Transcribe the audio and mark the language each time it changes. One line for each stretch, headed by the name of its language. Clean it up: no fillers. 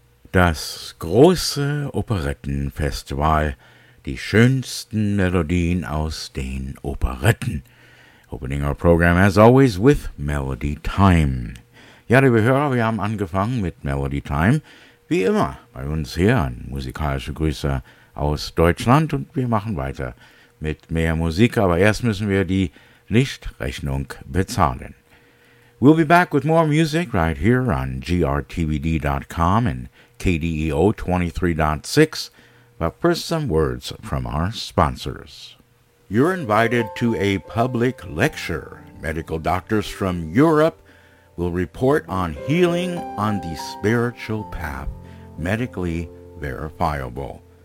German: Das große Operettenfestival, die schönsten Melodien aus den Operetten.
English: Opening our program, as always, with Melody Time.
German: Ja, liebe Hörer, wir haben angefangen mit Melody Time. Wie immer bei uns hier ein musikalischer Grüße aus Deutschland und wir machen weiter mit mehr Musik, aber erst müssen wir die Lichtrechnung bezahlen.
English: We'll be back with more music right here on grtvd.com and KDEO 23.6, but first some words from our sponsors. You're invited to a public lecture. Medical doctors from Europe will report on healing on the spiritual path, medically verifiable.